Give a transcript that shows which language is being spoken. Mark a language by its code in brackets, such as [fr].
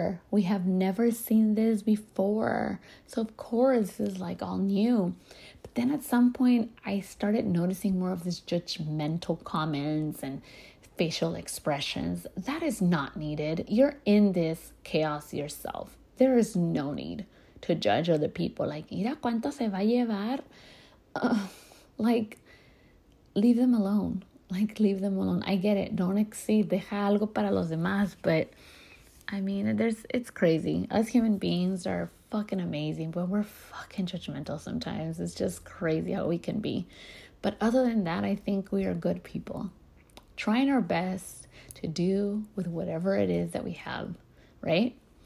[en] We have never seen this before. So of course, this is like all new. But then at some point, I started noticing more of this judgmental comments and facial expressions. That is not needed. You're in this chaos yourself. There is no need to judge other people. Like, [es] mira cuánto se va a llevar. [en] Like, leave them alone. Like, leave them alone. I get it. Don't exceed. [es] Deja algo para los demás. [en] But, I mean, it's crazy. Us human beings are fucking amazing, but we're fucking judgmental sometimes. It's just crazy how we can be. But other than that, I think we are good people. Trying our best to do with whatever it is that we have, right?